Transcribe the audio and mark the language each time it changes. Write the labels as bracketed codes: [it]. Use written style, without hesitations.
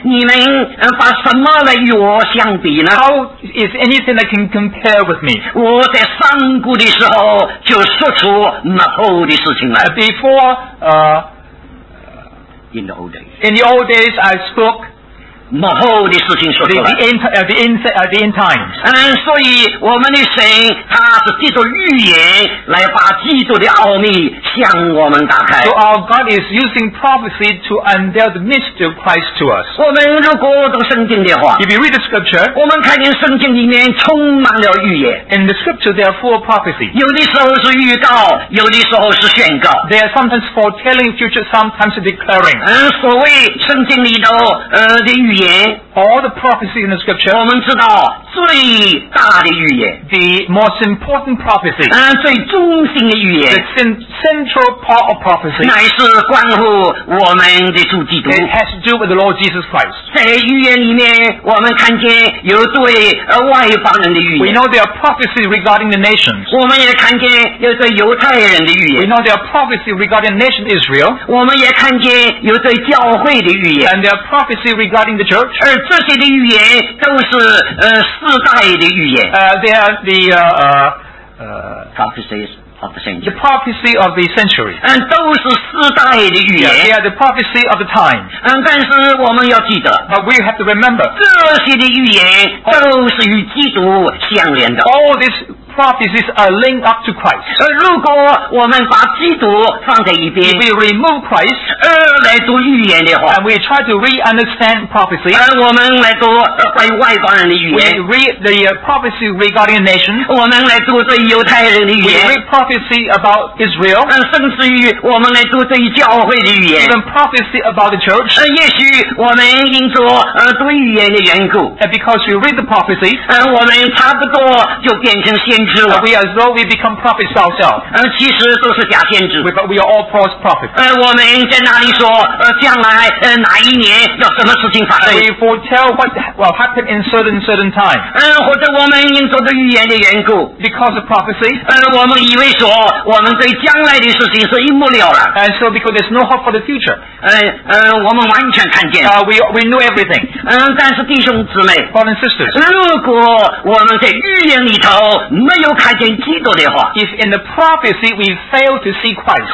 [zh] 你们把什么来与我相比呢？ [en] How is anything that can compare with me? [zh] 我在上古的时候就说出幕后的事情来。 [en] Before, in the old days. In the old days, I spoke [zh] 幕后的事情说出来。 [en] The end times. [zh] 所以我们的神他是借着预言来把基督的奥秘向我们打开。 [en] So our God is using prophecy to unveil the mystery of Christ to us. [zh] 我们如果读圣经的话， [en] if you read the scripture, [zh] 我们看见圣经里面充满了预言。 [en] In the scripture there are four prophecies. [zh] 有的时候是预告，有的时候是宣告。 [en] They are sometimes foretelling future, sometimes declaring. [zh] 所谓圣经里头的预言， [en] all the prophecies in the scripture, [zh] 我们知道最大的预言， [en] the most important prophecy, [zh] 最中心的预言， [en] the central part of prophecy, [zh] 乃是关乎我们的主基督。 [en] It has to do with the Lord Jesus Christ. [zh] 在预言里面我们看见有对外邦人的预言。 [en] We know there are prophecies regarding the nations. [zh] 我们也看见有对犹太人的预言。 [en] We know there are prophecies regarding the nation Israel. [zh] 我们也看见有对教会的预言。 [en] And there are prophecies regarding the church. [zh] 而这些的预言都是世代的预言。 [en] They are the prophecies. The prophecy of the century. [zh] 都是世代的预言。 [en] Yeah, they are the prophecy of the time. [zh] 但是我们要记得。 [en] But we have to remember. [zh] 这些的预言都是与基督相连的。 [en] All this prophecies are linked up to Christ. [zh] 如果我们把基督放在一边, [en] if we remove Christ, [zh] 来读预言的话, [en] and we try to re-understand prophecy, [zh] 我们来读关于外邦人的预言, [en] we read the prophecy regarding the nation, [zh] 我们来读对犹太人的预言, [en] we read prophecy about Israel, [zh] 甚至于我们来读对教会的预言, [en] even prophecy about the church, [zh] 也许我们因着读预言的缘故, [en] and because we read the prophecy, [zh] 我们差不多就变成先知了, [en] we as though we become prophets ourselves, [zh] 其实都是假先知, [en] but we are all false prophets, [zh] 我们在那里说将来哪一年要什么事情发生, [en] we foretell what will happen in certain time, [zh] 或者我们因着读预言的缘故, [en] because of prophecy, [zh] 我们以为说我们对将来的事情是一目了然, [en] and so because there's no hope for the future, [zh] 我们完全看见, [en] we know everything, [zh] 但是弟兄姊妹, [en] brothers and sisters, [zh] 如果我们在预言里头没有看见基督的话, [en] if in the prophecy we fail to see Christ,